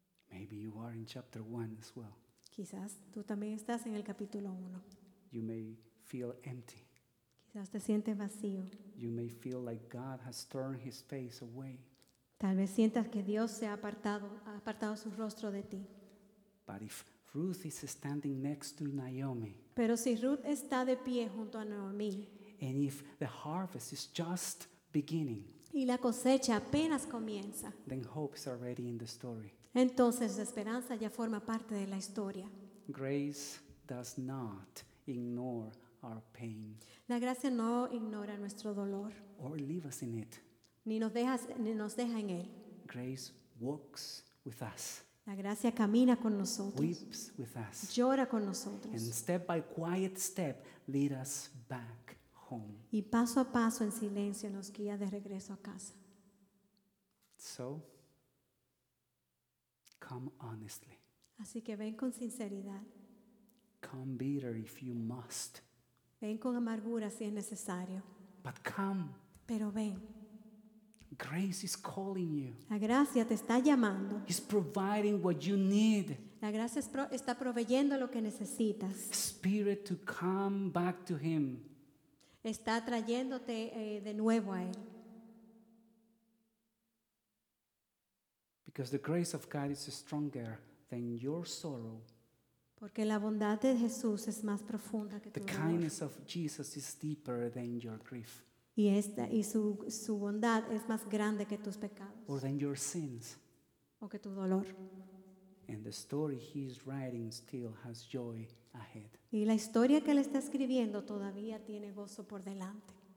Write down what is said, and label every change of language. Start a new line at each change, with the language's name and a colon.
English: Maybe you are in chapter one as well.
Spanish: Quizás tú también estás en el capítulo uno.
English: You may feel empty.
Spanish: Quizás te sientes vacío.
English: You may feel like God has turned his face away.
Spanish: Tal vez sientas que Dios se ha apartado su rostro de ti.
English: But if Ruth is standing next to Naomi,
Spanish: pero si Ruth está de pie junto a Naomi,
English: and if the harvest is just beginning,
Spanish: y la cosecha apenas comienza,
English: then hope is already in the story.
Spanish: Entonces la esperanza ya forma parte de la historia.
English: Grace does not ignore our pain.
Spanish: La gracia no ignora nuestro dolor.
English: Or leave us in it.
Spanish: Ni nos deja en él.
English: Grace walks with us.
Spanish: La gracia camina con nosotros.
English: Weeps with us.
Spanish: Llora con nosotros.
English: And step by quiet step lead us back.
Spanish: Y paso a paso en silencio nos guía de regreso a casa.
English: So, come honestly.
Spanish: Así que ven con sinceridad.
English: Come bitter if you must.
Spanish: Ven con amargura si es necesario.
English: But come.
Spanish: Pero ven.
English: Grace is calling you.
Spanish: La gracia te está llamando.
English: He's providing what you need.
Spanish: La gracia está proveyendo lo que necesitas.
English: Spirit to come back to him.
Spanish: Está trayéndote de nuevo a él.
English: Because the grace of God is stronger than your sorrow.
Spanish: Porque la bondad de Jesús es más profunda que tu dolor.
English: The kindness of Jesus is deeper than your grief.
Spanish: Y su bondad es más grande que tus pecados.
English: Or than your sins.
Spanish: O que tu dolor.
English: And the story he is writing still has joy ahead.
Spanish: Y la historia que él está escribiendo todavía tiene gozo por delante.